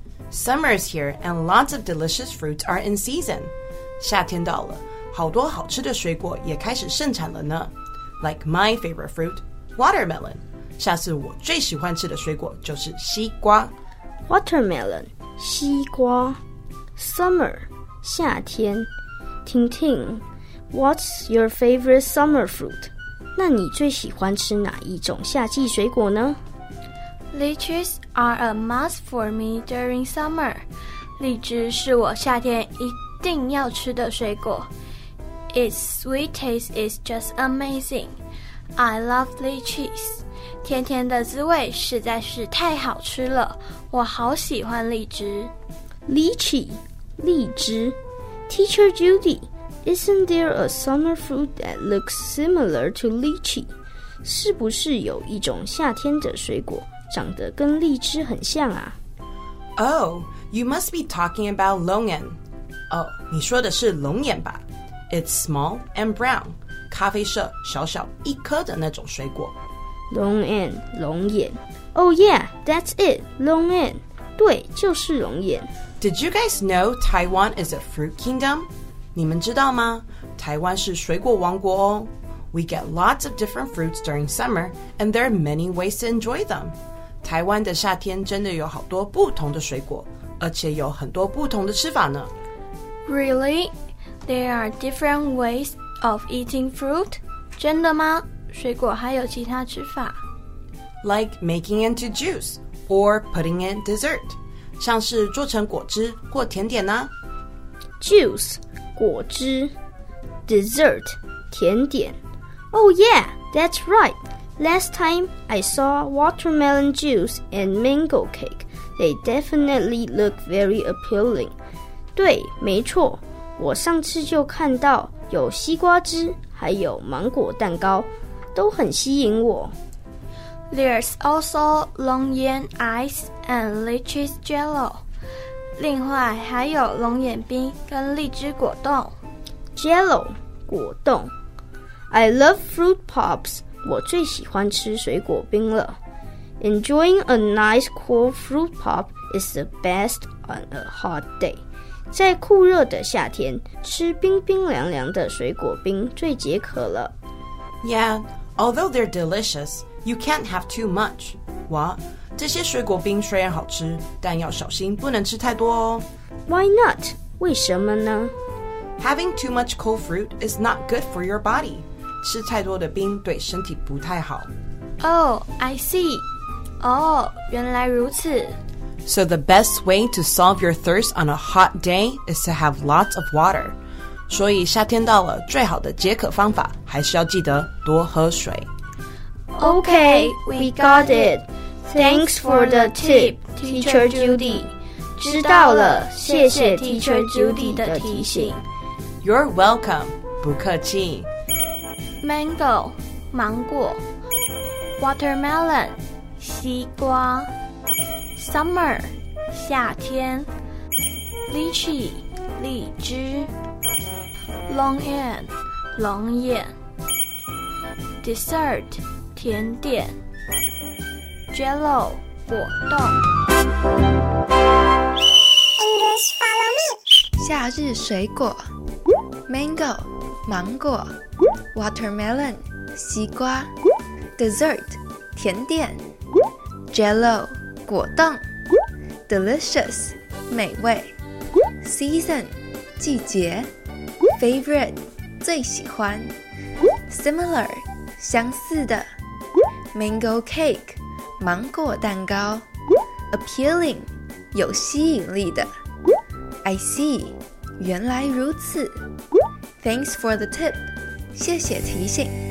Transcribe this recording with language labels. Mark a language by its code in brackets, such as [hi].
[en] Summer is here, and lots of delicious fruits are in season。 [zh] 夏天到了。好多好吃的水果也开始盛产了呢 ， [en] like my favorite fruit, watermelon。 [zh] 下次我最喜欢吃的水果就是西瓜，watermelon， 西瓜。 [en] Summer， 夏天。婷婷 ，What's your favorite summer fruit？ [zh] 那你最喜欢吃哪一种夏季水果呢 [en] ？Lychees are a must for me during summer。 [zh] 荔枝是我夏天一定要吃的水果。 [en] Its sweet taste is just amazing. I love lychees. [zh] 甜甜的滋味实在是太好吃了，我好喜欢荔枝。 [en] Lychee, 荔枝。 Teacher Judy, isn't there a summer fruit that looks similar to lychee? [zh] 是不是有一种夏天的水果长得跟荔枝很像啊 [en] ？Oh, you must be talking about longan. [zh] 哦，你说的是龙眼吧？ [en] It's small and brown, [zh] 咖啡色小小一颗的那种水果。 [en] Longan, 龙眼。Oh yeah, that's it, longan. [zh] 对，就是龙眼。 [en] Did you guys know Taiwan is a fruit kingdom? [zh] 你们知道吗？台湾是水果王国哦。 [en] We get lots of different fruits during summer, and there are many ways to enjoy them. [zh] 台湾的夏天真的有好多不同的水果，而且有很多不同的吃法呢。 [en] Really? There are different ways of eating fruit. [zh] 真的吗？水果还有其他吃法 [en] ？Like making into juice or putting in dessert. [zh] 像是做成果汁或甜点呢 [en] ？Juice 果汁 ，dessert 甜点。 Oh yeah, that's right. Last time I saw watermelon juice and mango cake. They definitely look very appealing. [zh] 对，没错。我上次就看到有西瓜汁，还有芒果蛋糕，都很吸引我。 [en] There's also longan ice and lychee jello. [zh] 另外还有龙眼冰跟荔枝果冻。 [en] Jello 果冻。I love fruit pops. [zh] 我最喜欢吃水果冰了。 [en] Enjoying a nice cool fruit pop is the best on a hot day. [zh] 在酷热的夏天，吃冰冰凉凉的水果冰最解渴了。 [en] Yeah, although they're delicious, you can't have too much. [zh] 哇，这些水果冰虽然好吃，但要小心不能吃太多哦。 [en] Why not? [zh] 为什么呢 [en] ？Having too much cold fruit is not good for your body. [zh] 吃太多的冰对身体不太好。 [en] Oh, I see. [zh] 哦，原来如此。 [en] So the best way to solve your thirst on a hot day is to have lots of water. [zh] 所以夏天到了，最好的解渴方法还是要记得多喝水。 [en] Okay, we got it. Thanks for the tip, Teacher Judy. [zh] 知道了，谢谢 Teacher Judy 的提醒。 [en] You're welcome. [zh] 不客气。 [en] Mango, 芒果。 Watermelon, 西瓜。 Summer, 夏天 Lychee, 荔枝 Longan, 龙眼 Dessert, 甜点 Jello, 果冻 English, follow me 夏日水果 Mango, 芒果 Watermelon, 西瓜 Dessert, 甜点 Jello, 果冻 Delicious, 美味 Season, 季节 Favorite, 最喜欢 Similar, 相似的 Mango cake, 芒果蛋糕 Appealing, 有吸引力的 I see, 原来如此 Thanks for the tip, 谢谢提醒